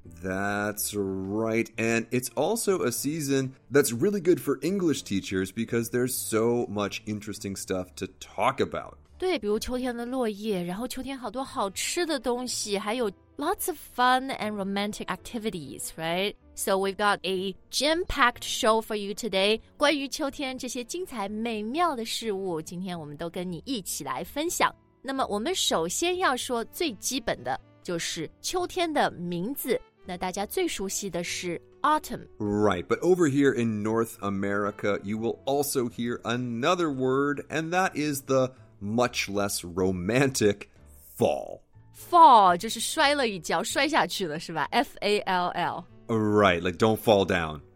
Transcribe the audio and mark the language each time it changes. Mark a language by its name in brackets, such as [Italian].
[English] That's right, and it's also a season that's really good for English teachers because there's so much interesting stuff to talk about. [Chinese] 对，比如秋天的落叶，然后秋天好多好吃的东西，还有 [English] lots of fun and romantic activities, right? So we've got a jam-packed show for you today. [Chinese] 关于秋天这些精彩美妙的事物，今天我们都跟你一起来分享。那么我们首先要说最基本的就是秋天的名字。那大家最熟悉的是 autumn. [English] Right, but over here in North America, you will also hear another word, and that is the... much less romantic, fall. [Chinese] Fall, 就是摔了一跤,摔下去了,是吧?F-A-L-L. [English] Right, like don't fall down.